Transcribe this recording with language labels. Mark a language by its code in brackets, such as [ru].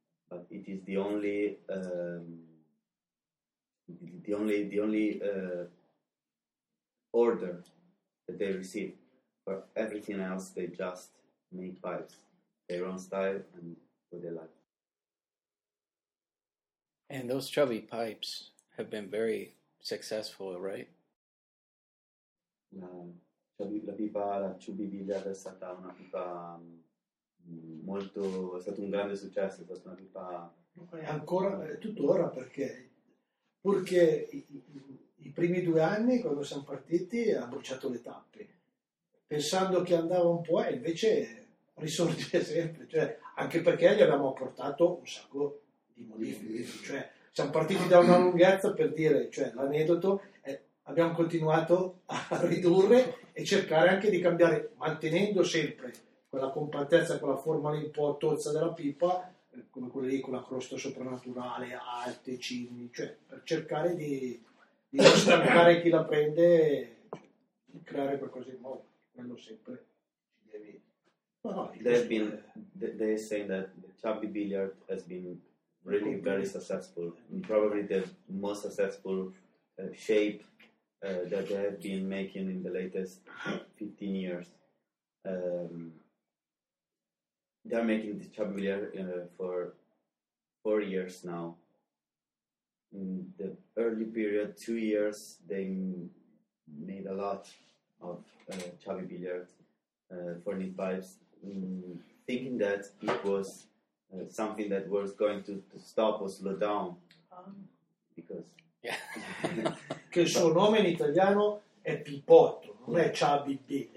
[en] But it is the only order that they receive. For everything else, they just make pipes, their own style and what they like. And those chubby pipes have been very successful, right? [it] La pipa, la chubby billiard, è stata una pipa molto, è stato un grande successo, è stata una pipa... E ancora, tuttora, perché i primi 2 anni, quando siamo partiti, ha bruciato le tappe, pensando che andava un po', e invece risorge sempre, cioè, anche perché gli abbiamo apportato un sacco di modifiche, cioè... Siamo partiti da una lunghezza, per dire, cioè l'aneddoto, abbiamo continuato a ridurre e cercare anche di cambiare, mantenendo sempre quella compattezza, quella forma un po' tozza della pipa, come quella lì con la crosta soprannaturale, alte, cimi, cioè per cercare di non stancare chi la prende e cioè, creare qualcosa di nuovo, quello sempre. [en] They say that the chubby billiard has been really very successful, probably the most successful shape that they have been making in the latest 15 years. They are making the chubby billiard for 4 years now. In the early period, 2 years, they made a lot of chubby billiard for knit pipes, thinking that it was something that was going to stop or slow down, because [it] che il suo nome in italiano è pipotto, non è chubby billiard.